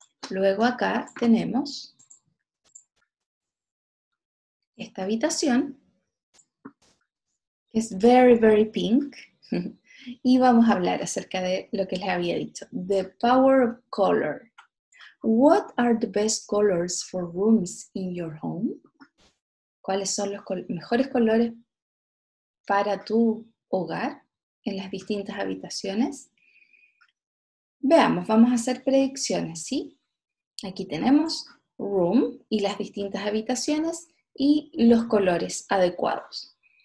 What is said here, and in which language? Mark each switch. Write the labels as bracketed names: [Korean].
[Spanish] Luego acá tenemos esta habitación, que es [English] very, very pink. [Spanish] Y vamos a hablar acerca de lo que les había dicho. [English] The power of color. What are the best colors for rooms in your home? [Spanish] ¿Cuáles son los mejores colores para tu hogar en las distintas habitaciones? Veamos, vamos a hacer predicciones, ¿sí? Aquí tenemos room y las distintas habitaciones y los colores adecuados.